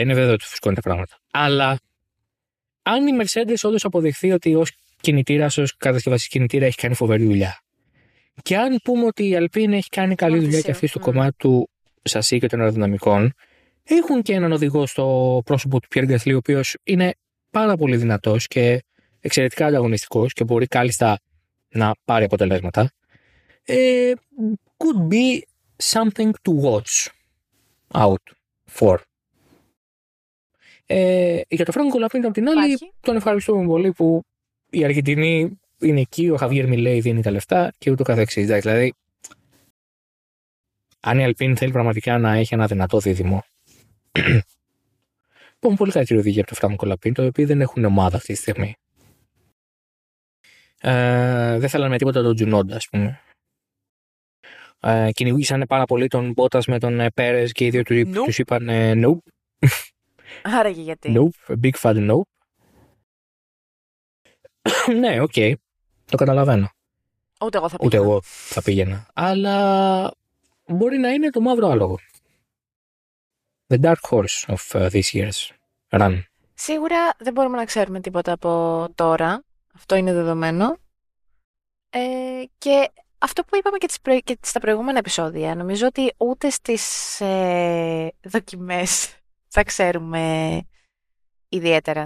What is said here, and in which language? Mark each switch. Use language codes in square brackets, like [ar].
[el] Είναι βέβαιο ότι φουσκώνει τα πράγματα. Αλλά αν η Mercedes όντως αποδειχθεί ότι ως κινητήρα, ως κατασκευαστική κινητήρα, έχει κάνει φοβερή δουλειά, και αν πούμε ότι η Alpine έχει κάνει καλή δουλειά και αυτή στο κομμάτι του σασί και των αεροδυναμικών, έχουν και έναν οδηγό στο πρόσωπο του Pierre Gasly, ο οποίος είναι πάρα πολύ δυνατός και εξαιρετικά ανταγωνιστικός και μπορεί κάλλιστα να πάρει αποτελέσματα. [en] Could be something to watch out for. [el] Για το Φράνκο Λαφίντα, από την άλλη, τον ευχαριστούμε πολύ που η Αργεντινή είναι εκεί, ο Χαβιέρ Μιλέι δίνει τα λεφτά και ούτω καθεξής. Δηλαδή, αν η Αλπίν θέλει πραγματικά να έχει ένα δυνατό δίδυμο, πούμε πολύ καλύτερη οδηγία από το Φράνκο Λαπίντο, οι οποίοι δεν έχουν ομάδα αυτή τη στιγμή. Δεν θέλανε τίποτα τον Τζουνόντα, ας πούμε. Κυνηγήσανε πάρα πολύ τον Μπότας με τον Πέρες και οι δύο τους είπαν nope. Άραγε γιατί. [en] Nope, big fat nope. [el] Ναι, οκ. Okay. Το καταλαβαίνω. Ούτε εγώ θα πήγαινα. Ούτε εγώ θα πήγαινα. Αλλά μπορεί να είναι το μαύρο άλογο. [en] The dark horse of this year's run. [el] Σίγουρα δεν μπορούμε να ξέρουμε τίποτα από τώρα. Αυτό είναι δεδομένο. Και αυτό που είπαμε και, και στα προηγούμενα επεισόδια, νομίζω ότι ούτε στις δοκιμές θα ξέρουμε ιδιαίτερα.